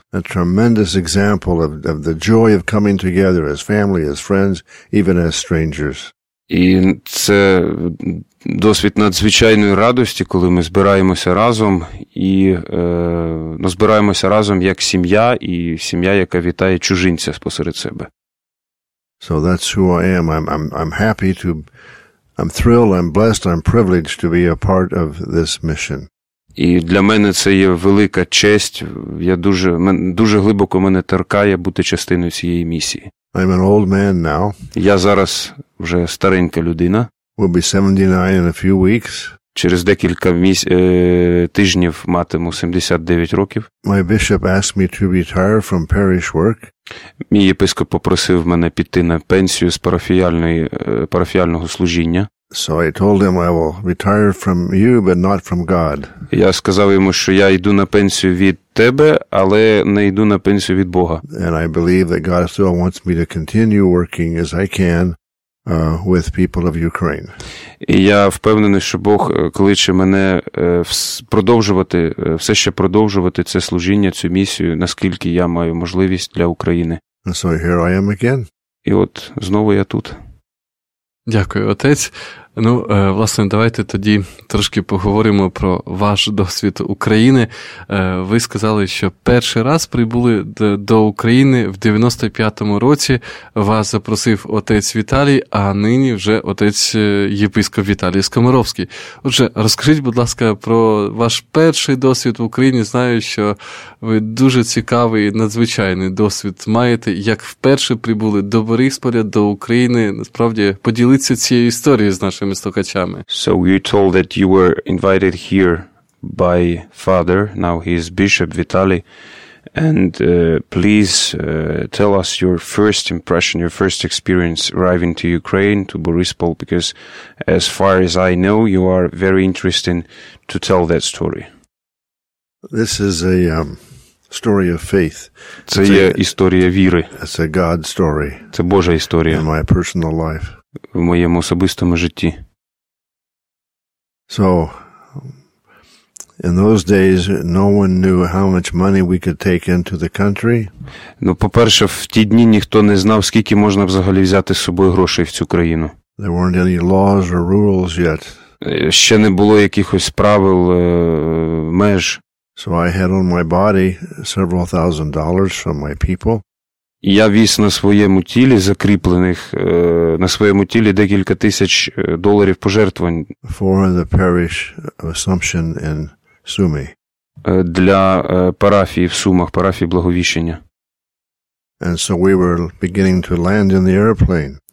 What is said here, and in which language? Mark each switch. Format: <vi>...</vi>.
<en>A tremendous example of the joy of coming together as family, as friends, even as strangers.</en> <uk>І це досвід надзвичайної радості, коли ми збираємося разом і збираємося разом як сім'я, і сім'я, яка вітає чужинця посеред себе.</uk> <en>So that's who I am. I'm happy to, I'm thrilled, I'm blessed, I'm privileged to be a part of this mission.</en> <uk>І для мене це є велика честь. Я дуже глибоко мене торкає бути частиною цієї місії.</uk> <en>I'm an old man now.</en> <uk>Я зараз вже старенька людина.</uk> <en>We'll be 79 in a few weeks.</en> <uk>Через декілька тижнів матиму 79 років.</uk> <en>My bishop asked me to retire from parish work.</en> <uk>Мій єпископ попросив мене піти на пенсію з парафіального служіння.</uk> <en>So I told him I will retire from you, but not from God.</en> <uk>Я сказав йому, що я йду на пенсію від тебе, але не йду на пенсію від Бога.</uk> <en>And I believe that God still wants me to continue working as I can with people of Ukraine.</en> <uk>І я впевнений, що Бог кличе мене продовжувати, все ще продовжувати це служіння, цю місію, наскільки я маю можливість для України.</uk> <en>And so here I am again.</en> <uk>І от знову я тут. Дякую, отець. Ну, власне, давайте тоді трошки поговоримо про ваш досвід України. Ви сказали, що перший раз прибули до України в 95-му році. Вас запросив отець Віталій, а нині вже отець єпископ Віталій Скоморовський. Отже, розкажіть, будь ласка, про ваш перший досвід в Україні. Знаю, що ви дуже цікавий, надзвичайний досвід маєте. Як вперше прибули до Борисполя, до України, насправді поділитися цією історією з нашим.</uk> <en>So you told that you were invited here by Father, now he is Bishop Vitaly, and please tell us your first impression, your first experience arriving to Ukraine, to Borispol, because as far as I know, you are very interesting to tell that story. This is a story of faith.</en> <uk>Це є історія віри.</uk> <en>It's a God story.</en> <uk>Це Божа історія.</uk> <en>In my personal life.</en> <uk>В моєму особистому житті.</uk> <en>So in those days no one knew how much money we could take into the country.</en> <uk>Ну, по-перше, в ті дні ніхто не знав, скільки можна взагалі взяти з собою грошей в цю країну.</uk> <en>There weren't any laws or rules yet.</en> <uk>Ще не було якихось правил, меж.</uk> <en>So I had on my body several thousand dollars from my people.</en> <uk>Я віз на своєму тілі закріплених, на своєму тілі декілька тисяч доларів пожертвувань.</uk> <en>For the parish of Assumption in Sumy.</en> <uk>Для парафії в Сумах, парафії Благовіщення.</uk> <en>And so we were beginning to land in the airplane.</en>